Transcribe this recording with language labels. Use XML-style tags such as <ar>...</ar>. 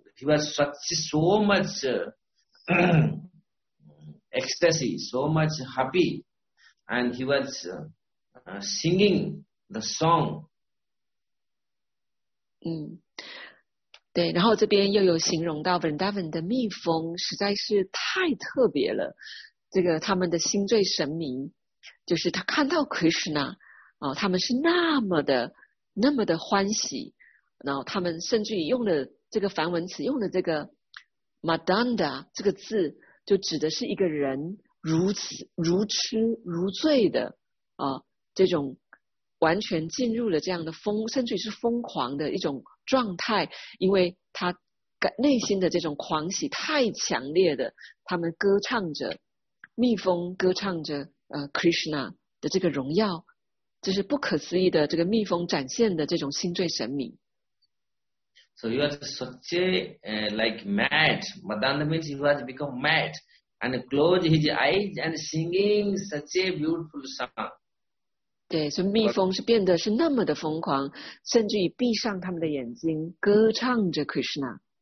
<en>he was so much ecstasy, so much happy, and he was singing the song.</en> <zh>对，然后这边又有形容到 Vrindavan 的蜜蜂实在是太特别了，这个他们的心醉神迷，就是他看到 Krishna、哦、他们是那么的欢喜，然后他们甚至于用了这个梵文词，用了这个 Madanda 这个字，就指的是一个人如痴如醉的啊，这种完全进入了这样的疯，甚至于是疯狂的一种状态，因为他内心的这种狂喜太强烈的，他们歌唱着蜜蜂，歌唱着Krishna 的这个荣耀，就是不可思议的，这个蜜蜂展现的这种心醉神迷。</zh> <en>So he was such a, like mad. Madanda means he was become mad and close his eyes and singing such a beautiful song.</en> <zh>对，所以蜜蜂是变得是那么的疯狂，甚至于闭上他们的眼睛歌唱着 Krishna.</zh>